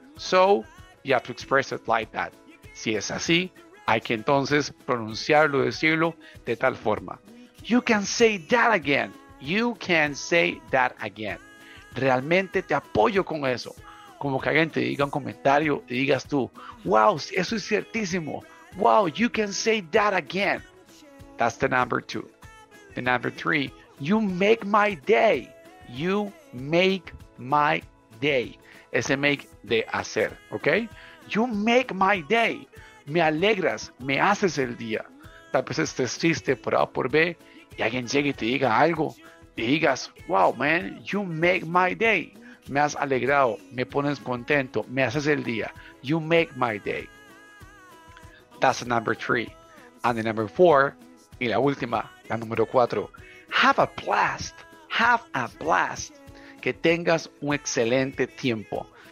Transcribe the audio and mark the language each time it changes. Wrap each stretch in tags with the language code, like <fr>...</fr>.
<en>So, you have to express it like that.</en> <es>Si es así, hay que entonces pronunciarlo, decirlo de tal forma.</es> <en>You can say that again. You can say that again.</en> <es>Realmente te apoyo con eso. Como que alguien te diga un comentario y digas tú, wow, eso es ciertísimo.</es> <en>Wow, you can say that again. That's the number two. The number three, you make my day. You make my day.</en> <es>Ese make de hacer, ¿ok?</es> <en>You make my day.</en> <es>Me alegras, me haces el día. Tal vez estés triste por A o por B y alguien llegue y te diga algo. Y digas,</es> <en>wow, man, you make my day.</en> <es>Me has alegrado, me pones contento, me haces el día.</es> <en>You make my day. That's the number three. And the number four,</en> <es>y la última, la número cuatro.</es> <en>Have a blast. Have a blast.</en> <es>Que tengas un excelente tiempo.</es>